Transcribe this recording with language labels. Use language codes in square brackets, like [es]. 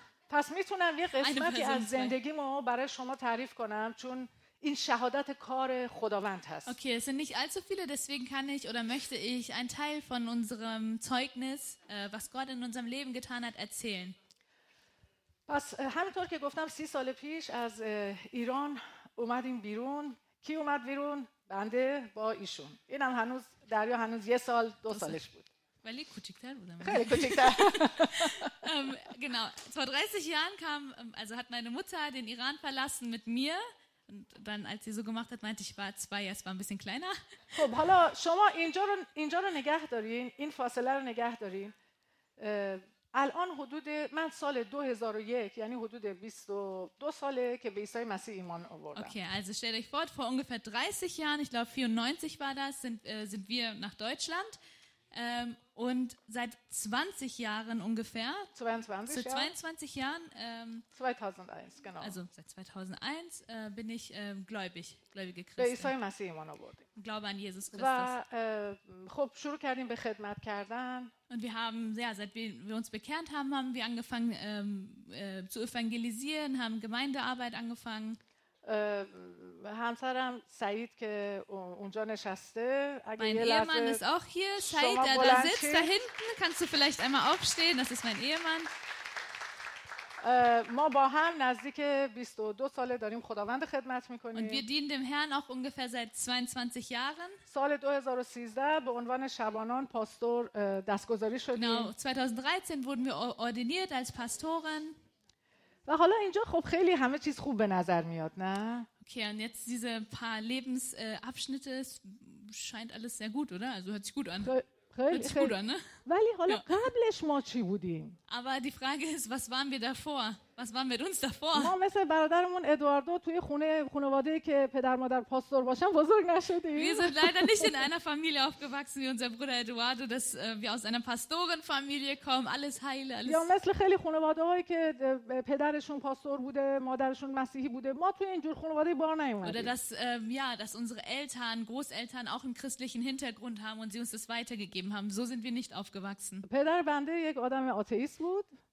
[fa] پس میتونم یه قسمتی از زندگیمو برای شما تعریف کنم چون این شهادت کار خداوند هست. [de] Okay, es sind nicht allzu viele, deswegen kann ich oder möchte ich einen Teil von unserem Zeugnis, was Gott in unserem Leben getan hat, erzählen. [fa] پس همونطور که گفتم 30 سال پیش از ایران اومدیم بیرون. کی اومد بیرون؟ بنده با ایشون. اینم هنوز دریا هنوز یه سال دو سالش بود. [de] Weil ich kuchiktar bin. Keine kuchiktar. Genau. Vor 30 Jahren kam, also hat meine Mutter den Iran verlassen mit mir. Und dann, als sie so gemacht hat, meinte ich, war zwei, es war ein bisschen kleiner. [fa] خب حالا شما اینجا رو نگه دارین، این فاصله رو نگه دارین. الان حدود من سال 2001 یعنی حدود 22 ساله که به عیسی مسیح ایمان آوردم. [de] Okay, also stell dich vor ungefähr 30 Jahren, ich glaube 94 war das, sind wir nach Deutschland. Und seit 20 Jahren ungefähr, 22 zu 22 Jahren, 2001, genau. Also seit 2001 bin ich gläubige Christin. Glaube an Jesus Christus. Und wir haben, ja, seit wir uns bekehrt haben, haben wir angefangen zu evangelisieren, haben Gemeindearbeit angefangen. [fa] همسرم سعید که اونجا نشسته [de] اگه mein Ehemann ist auch hier Said der sitzt da hinten kannst du vielleicht einmal aufstehen das ist mein Ehemann [fa] ما با هم نزدیک 22 ساله داریم خداوند خدمت میکنیم. [de] Und wir dienen dem Herrn auch ungefähr seit 22 Jahren. [fa] سال 2013 به عنوان شبانان پاستور دستگذاری شدیم. [de] Genau, 2013 wurden wir ordiniert als Pastoren. [fa] و حالا اینجا خب خیلی همه چیز خوب به نظر میاد، نه؟ [de] Okay, und jetzt diese paar Lebensabschnitte scheint alles sehr gut, oder? Also hört sich gut an. [fa] ولی حالا قبلش ما چی بودیم؟ [de] Aber die Frage ist, was waren wir davor? Was waren wir uns davor? [fa] ما مثل برادرمون ادواردو توی خانواده‌ای که پدر مادر پاستور باشن بزرگ نشدیم. [de] Wir sind leider nicht in einer Familie aufgewachsen wie unser Bruder Eduardo, dass wir aus einer Pastorenfamilie kommen, alles heil, alles. [fa] یا مثل خیلی خانواده‌هایی که پدرشون پاستور بوده، مادرشون مسیحی بوده، ما توی اینجور خانواده‌ای بار نیومدیم. [de] Oder dass ja, dass unsere Eltern, Großeltern auch einen christlichen Hintergrund haben und sie uns das weitergegeben haben. So sind wir nicht aufgewachsen. [fa] پدر بنده یک آدم آتئیست بود.